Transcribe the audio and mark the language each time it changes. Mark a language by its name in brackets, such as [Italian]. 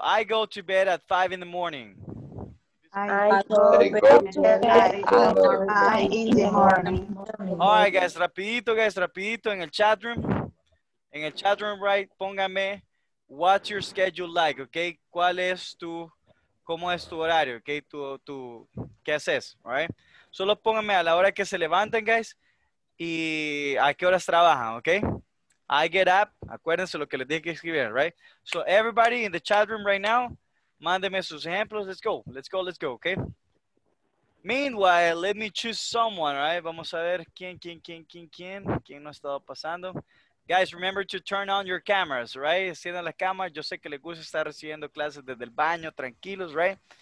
[English] I go to bed at 5 in the morning. I go to bed at 5 in the morning. All right, guys, rapidito in the chat room. [Spanish] En el chat room, right, póngame, [English] what's your schedule like, [Spanish] okay? ¿Cuál es tu, cómo es tu horario, okay? Tu, ¿qué haces, all right? Solo póngame a la hora que se levantan, guys, y a qué horas trabajan, okay? [English] I get up, [Spanish] acuérdense lo que les dije que escribir, right? [English] So everybody in the chat room right now, [Spanish] mándeme sus ejemplos, [English] let's go, okay? Meanwhile, let me choose someone, right? [Spanish] Vamos a ver quién no ha estado pasando. [English] Guys, remember to turn on your cameras, right? [Spanish] Enciendan las cámaras. Yo sé que les gusta estar recibiendo clases desde el baño, tranquilos, right?